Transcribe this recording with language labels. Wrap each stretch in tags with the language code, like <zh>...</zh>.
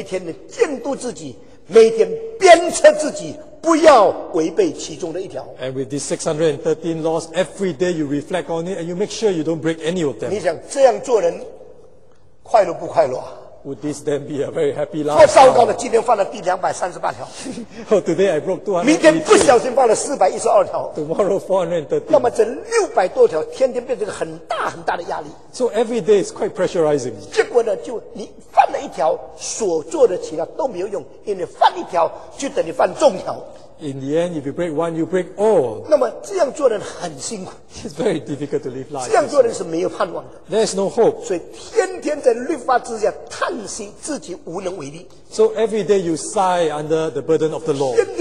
<zh>那你要用这613条的命令，每天监察自己，每天的监督自己，每天鞭策自己。不要违背其中的一条。</zh> <en>And with these 613 laws, every day you reflect on it and you make sure you don't break any of them.</en> <zh>你想这样做人快乐不快乐啊?</zh> <en>Would this then be a very happy life?</en> <zh>做糟糕的今天犯了第238条。</zh> <en>Oh, today I broke</en> <zh>232. 明天不小心犯了412条。</zh> <en>Tomorrow 413.</en> <zh>那么这600多条天天变成很大很大的压力。</zh> <en>So every day is quite pressurizing.</en> <zh>结果呢，就你犯了一条，所做的其他都没有用， 因为犯一条就等于犯重条。</zh> <en>In the end, if you break one, you break all.</en> <zh>那么这样做人很辛苦。</zh> <en>It's very difficult to live life.</en> <zh>这样做人是没有盼望的。</zh> <en>There's no hope.</en> <zh>所以天天在律法之下叹息自己无能为力。</zh> <en>So every day you sigh under the burden of the law.</en>